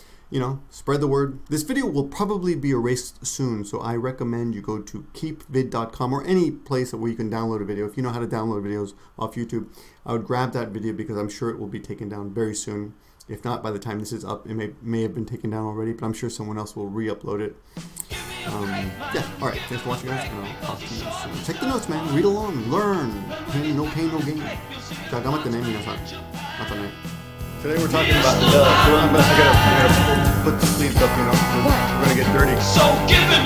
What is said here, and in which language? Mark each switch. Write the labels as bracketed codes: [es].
[en] You know, spread the word. This video will probably be erased soon, so I recommend you go to keepvid.com or any place where you can download a video. If you know how to download videos off YouTube, I would grab that video because I'm sure it will be taken down very soon. If not, by the time this is up, it may have been taken down already, but I'm sure someone else will re-upload it. All right, thanks for watching, guys, and I'll talk to you soon. Check the notes, man. Read along. Learn. No pain, no gain. [ja] じゃあ頑張ってね、皆さん。またね。 [en] Today we're talking about, I'm gonna put the sleeves up, you know, we're gonna get dirty. So get